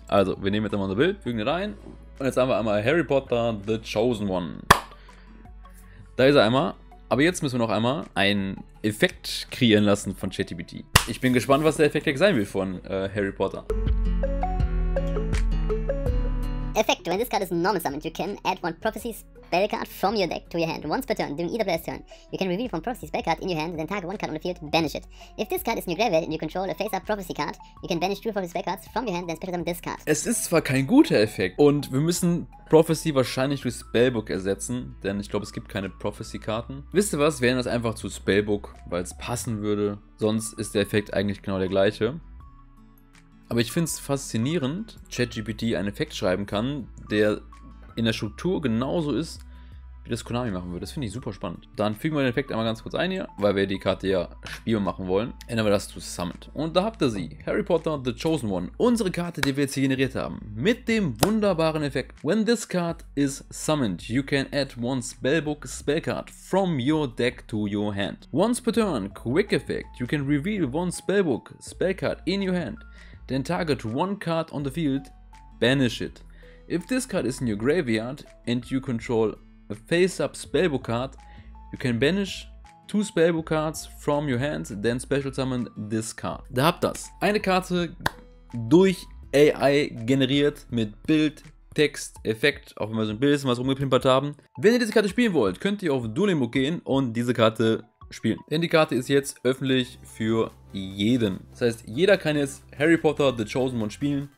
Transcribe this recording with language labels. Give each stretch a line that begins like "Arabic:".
German: Also, wir nehmen jetzt einmal unser Bild, fügen den rein. Und jetzt haben wir einmal Harry Potter, The Chosen One. Da ist er einmal. Aber jetzt müssen wir noch einmal einen Effekt kreieren lassen von ChatGPT. Ich bin gespannt, was der Effekt sein will von Harry Potter.
English: Effekt, when this card is normal summoned, you can add one prophecy spell card from your deck to your hand. Once per turn, during either player's turn, you can reveal one prophecy spell card in your hand, then target one card on the field, banish it. If this card is in your graveyard and you control a face-up prophecy card, you can banish two prophecy spell cards from your hand, then special summon this card.
German: Es ist zwar kein guter Effekt und wir müssen Prophecy wahrscheinlich durch Spellbook ersetzen, denn ich glaube, es gibt keine Prophecy-Karten. Wisst ihr was, wären das einfach zu Spellbook, weil es passen würde, sonst ist der Effekt eigentlich genau der gleiche. Aber ich finde es faszinierend, ChatGPT einen Effekt schreiben kann, der in der Struktur genauso ist, wie das Konami machen würde. Das finde ich super spannend. Dann fügen wir den Effekt einmal ganz kurz ein hier, weil wir die Karte ja spielen machen wollen. Ändern wir das zu Summoned. Und da habt ihr sie. Harry Potter, The Chosen One. Unsere Karte, die wir jetzt hier generiert haben. Mit dem wunderbaren Effekt.
English: When this card is summoned, you can add one spellbook spell card from your deck to your hand. Once per turn, quick effect, you can reveal one spellbook spell card in your hand. Then target one card on the field, banish it. If this card is in your graveyard and you control a face-up spellbook card, you can banish two spellbook cards from your hand, then special summon this card.
German: Da habt das. Eine Karte durch AI generiert mit Bild, Text, Effekt, auch wenn wir so ein bisschen was rumgepimpert haben. Wenn ihr diese Karte spielen wollt, könnt ihr auf Dueling Book gehen und diese Karte spielen. Denn die Karte ist jetzt öffentlich für jeden. Das heißt, jeder kann jetzt Harry Potter The Chosen One spielen.